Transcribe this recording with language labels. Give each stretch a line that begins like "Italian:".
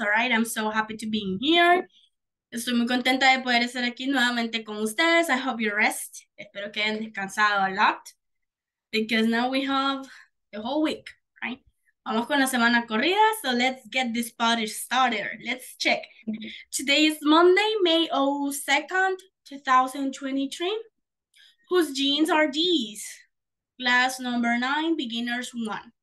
English: All right, I'm so happy to be here.
Spanish: Estoy muy contenta de poder estar aquí nuevamente con ustedes.
English: I hope you rest.
Spanish: Espero que hayan descansado
English: a lot. Because now we have the whole week, right?
Spanish: Vamos con la semana corrida,
English: so let's get this party started. Let's check. Today is Monday, May 2nd, 2023. Whose jeans are these? Class number 9, beginners 1.